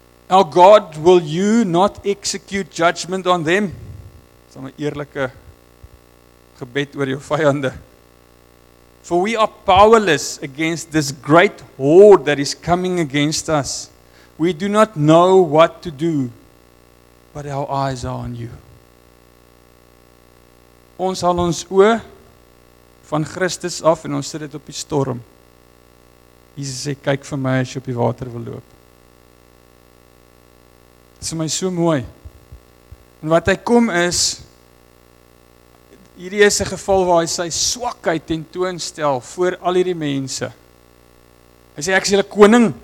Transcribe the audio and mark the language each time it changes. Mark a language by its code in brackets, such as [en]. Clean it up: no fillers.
[en] Now God, will you not execute judgment on them? [af] Dis 'n eerlike gebed oor jou vyande. [en] For we are powerless against this great horde that is coming against us. We do not know what to do, but our eyes are on you. [af] Ons hou ons oë van Christus af en ons sit dit op die storm. Jesus sê, kyk vir my as jy op die water wil loop. Dit is vir my so mooi. En wat hy kom is, hierdie is 'n geval waar hy sy swakheid tentoonstel voor al hierdie mense. Hy sê, ek is julle koning,